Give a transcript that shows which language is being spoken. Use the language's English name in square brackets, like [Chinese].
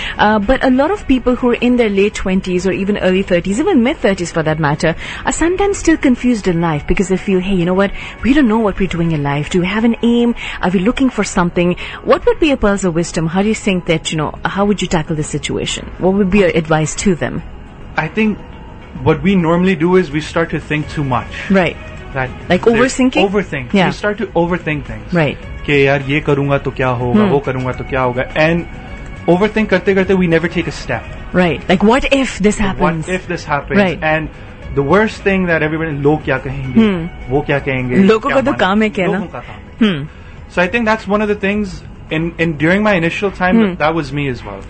[English] But a lot of people who are in their late 20s or even early 30s, even mid-30s for that matter, are sometimes still confused in life because they feel, hey, you know what, we don't know what we're doing in life. Do we have an aim? Are we looking for something? What would be a pearls of wisdom? How do you think that, you know, how would you tackle this situation? What would be your advice to them? I think what we normally do is we start to think too much. Right. That, like, overthinking? Overthink. Yeah. We start to overthink things. Right. [Urdu] کہ یار یہ کروں گا تو کیا ہوگا، وہ کروں گا تو کیا ہوگا۔ [English] And overthink [Urdu] کرتے کرتے, [English] we never take a step. Right. Like, what if this happens? What if this happens? Right. And the worst thing that everybody, [Urdu] lo kya kahenge, wo kya kahenge. Logo ka to kaam hai kehna. [English] So I think that's one of the things, in during my initial time, that was me as well.